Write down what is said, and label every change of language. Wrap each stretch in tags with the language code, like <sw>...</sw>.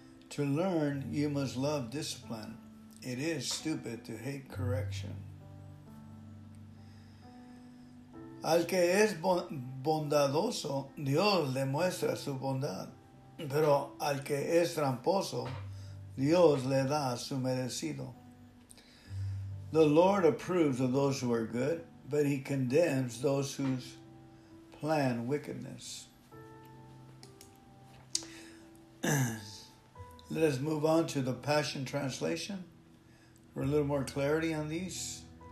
<en>To learn, you must love discipline. It is stupid to hate correction.</en> <es>Al que es bondadoso, Dios le muestra su bondad. Pero al que es tramposo, Dios le da su merecido.</es> <en>The Lord approves of those who are good, but he condemns those who plan wickedness. Let us move on to the Passion Translation for a little more clarity on these.</en>